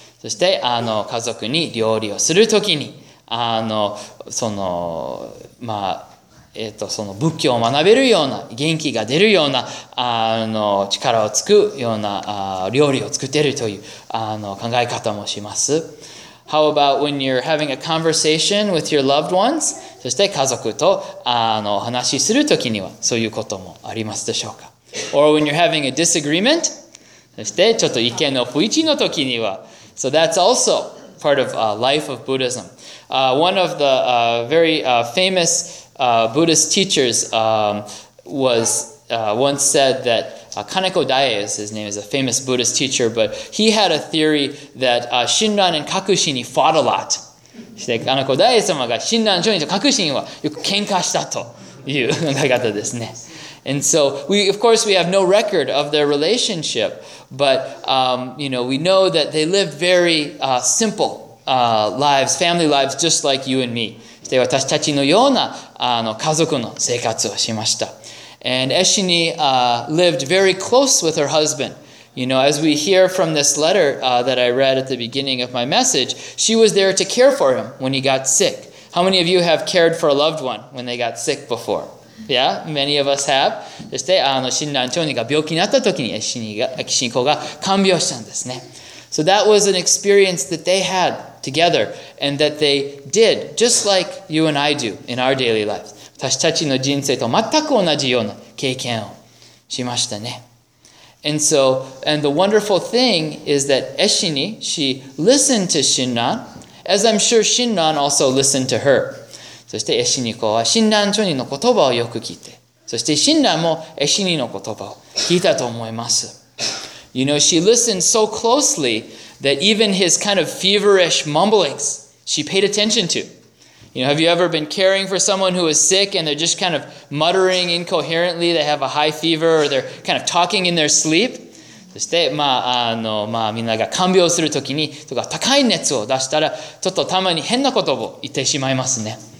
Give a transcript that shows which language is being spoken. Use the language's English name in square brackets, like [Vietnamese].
[Japanese] そして、家族に料理をするときに、まあ、その仏教を学べるような、元気が出るような、力をつくような、料理を作っているという、考え方もします。 [English] How about when you're having a conversation with your loved ones? [Japanese] そして家族とお話しするときにはそういうこともありますでしょうか? [English] Or when you're having a disagreement? [Japanese] そしてちょっと意見の不一致のときには [English] So that's also part of life of Buddhism. One of the very famous Buddhist teachers was once said thatKaneko Daiei is his name, is a famous Buddhist teacher, but he had a theory that Shinran and Kakushini fought a lot. [Japanese] Kaneko Daiei-sama が Shinran Shonin と Kakushini はよく喧嘩したという考え方ですね。 [English] And so, we have no record of their relationship, but you know, we know that they lived very simple lives, family lives, just like you and me. [Japanese] 私たちのような家族の生活をしました。 [English] And Eshini lived very close with her husband. You know, as we hear from this letter that I read at the beginning of my message, she was there to care for him when he got sick. How many of you have cared for a loved one when they got sick before? Yeah, many of us have. [Japanese] そして、Shinran Shonin が病気になった時に Eshiniko が看病したんですね。 [English] So that was an experience that they had together and that they did, just like you and I do in our daily lives. [Japanese] 私たちの人生と全く同じような経験をしましたね。 [English] And so, and the wonderful thing is that Eshini, she listened to Shinran, as I'm sure Shinran also listened to her. [Japanese] そして Eshiniko は Shinran Shonin の言葉をよく聞いて、そして Shinran も Eshini の言葉を聞いたと思います。 [English] You know, she listened so closely that even his kind of feverish mumblings, she paid attention to. You know, have you ever been caring for someone who is sick and they're just kind of muttering incoherently, they have a high fever, or they're kind of talking in their sleep? [Japanese] そして、まあ、みんなが看病するときに、とか高い熱を出したら、ちょっとたまに変なことを言ってしまいますね。